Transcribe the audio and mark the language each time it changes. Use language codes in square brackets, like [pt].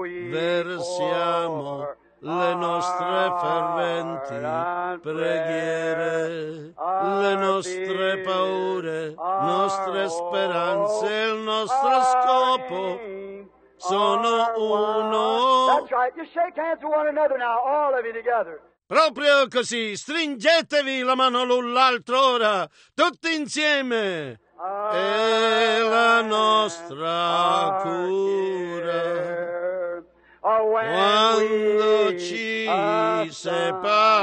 [it] Versiamo le nostre ferventi preghiere, le nostre paure, nostre speranze, il nostro scopo sono uno. [en] That's right, just shake hands with one another now, all of you together. [it] Proprio così, stringetevi la mano l'un l'altro ora, tutti insieme. E la nostra cura, quando ci separiamo.